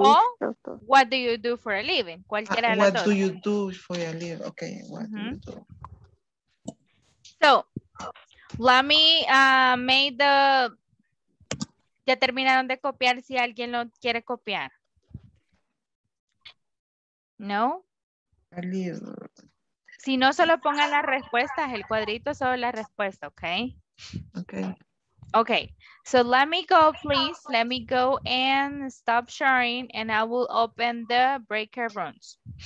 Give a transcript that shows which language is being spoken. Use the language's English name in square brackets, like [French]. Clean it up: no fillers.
[English] O what do you do for a living? [Spanish] Cualquiera de las [English] what do you do for a living? Okay, what do you do? [Spanish] So, ya terminaron de copiar si alguien lo quiere copiar. [English] No? A little. [Spanish] Si no, solo pongan las respuestas, el cuadrito solo la respuesta, ¿ok? [English] Ok. Ok, so let me go, please. Let me go and stop sharing and I will open the breaker rooms.